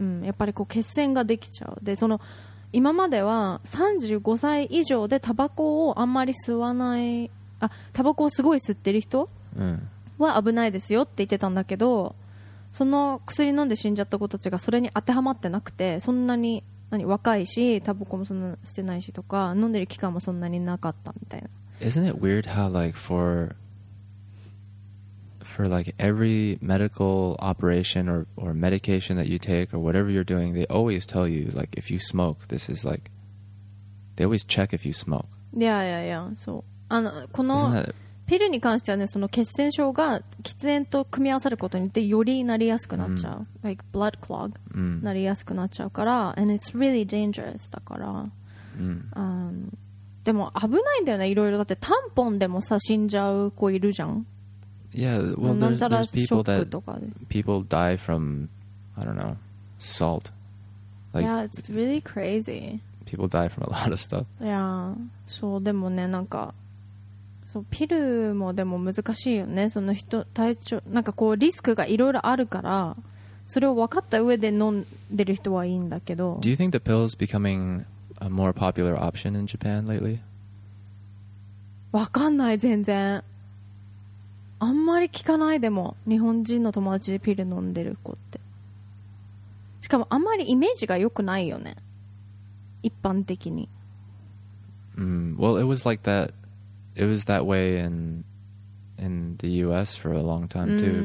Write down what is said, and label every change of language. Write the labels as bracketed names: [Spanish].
[Japanese] うん、やっぱりこう血栓ができちゃうでその今までは35歳以上でタバコをあんまり吸わないあタバコをすごい吸ってる人は危ないですよって言ってたんだけどその薬飲んで死んじゃった子たちがそれに当てはまってなくてそんなに何若いしタバコもそんなに吸ってないしとか飲んでる期間もそんなになかったみたいな [English] Isn't it weird how like for like every medical operation or medication that you take or whatever you're doing they always tell you like if you smoke this is like they always check if you smoke yeah yeah yeah [Japanese] そうこのピルに関してはねその血栓症が喫煙と組み合わさることによってよりなりやすくなっちゃう、mm. [English] like blood clog、mm. [Japanese] なりやすくなっちゃうから [English] and it's really dangerous [Japanese] だから、 mm. でも危ないんだよねいろいろだってタンポンでもさ死んじゃう子いるじゃん [English] Yeah, well, there's people that people die from, I don't know, salt. Like, yeah, it's really crazy. People die from a lot of stuff. Yeah, so, [Japanese] でもね、なんか、そうピルもでも難しいよね。その人体調なんかこうリスクがいろいろあるから、それを分かった上で飲んでる人はいいんだけど。 [English] Do you think the pill is becoming a more popular option in Japan lately? [Japanese] わかんない全然。あんまり聞かないでも日本人の友達でピル飲んでる子って。しかもあんまりイメージが良くないよね。一般的に。 [English] Well, it was like that. It was that way in the U.S. for a long time too.